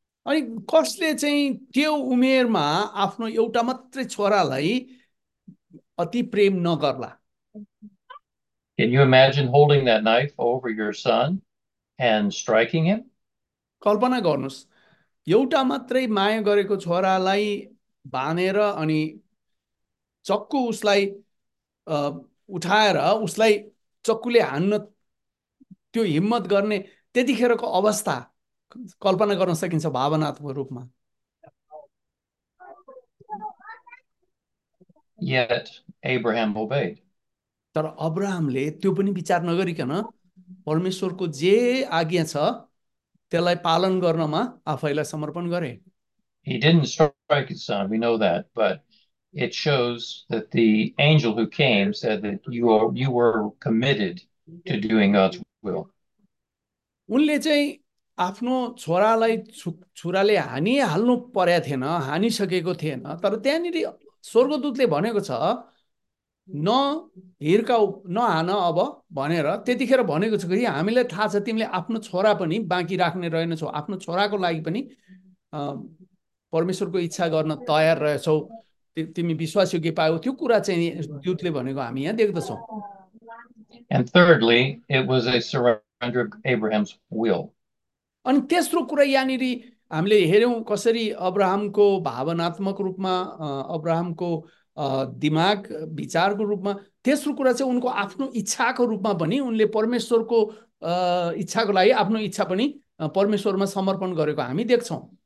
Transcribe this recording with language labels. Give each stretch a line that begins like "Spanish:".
Nepali: अनि कसले चाहिँ त्यो उमेरमा आफ्नो एउटा मात्रै छोरालाई अति प्रेम नगर्ला?
English: Can you imagine holding that knife over your son and striking him?
Nepali: कल्पना गर्नुहोस्, एउटा मात्रै माया गरेको छोरालाई बाँधेर अनि चक्कु उसलाई उठाएर उसलाई चक्कुले हान्न त्यो हिम्मत गर्ने त्यतिखेरको अवस्था कल्पना गर्न सकिन्छ भावनात्मक रूपमा.
English: Yet Abraham obeyed.
Nepali: तर अब्राहमले त्यो पनि विचार नगरिकन परमेश्वरको जे आज्ञा छ त्यसलाई पालन गर्नमा आफैलाई समर्पण गरे.
English: He didn't strike his son, we know that, but it shows that the angel who came said that you were committed to doing God's will.
Nepali: उनले चाहिँ आफ्नो छोरालाई छुराले हानिहाल्नु परेको थिएन, हानिसकेको थिएन, तर त्यहाँनिर स्वर्गदूतले भनेको छ न हिर्का न हान अब भनेर त्यतिखेर भनेको छ कि हामीलाई थाहा छ तिमीले आफ्नो छोरा पनि बाँकी राख्ने रहेनछौ, आफ्नो छोराको लागि पनि परमेश्वरको इच्छा गर्न तयार रहेछौ, तिमी विश्वासयोग्य पायौ, त्यो कुरा चाहिँ दूतले भनेको हामी यहाँ देख्दछौँ.
English: And thirdly, it was a surrender of Abraham's will.
Nepali: अनि तेस्रो कुरा यहाँनिर हामीले हेऱ्यौँ कसरी अब्राहमको भावनात्मक रूपमा अब्राहमको दिमाग विचारको रूपमा, तेस्रो कुरा चाहिँ उनको आफ्नो इच्छाको रूपमा पनि उनले परमेश्वरको इच्छाको लागि आफ्नो इच्छा पनि परमेश्वरमा समर्पण गरेको हामी देख्छौँ.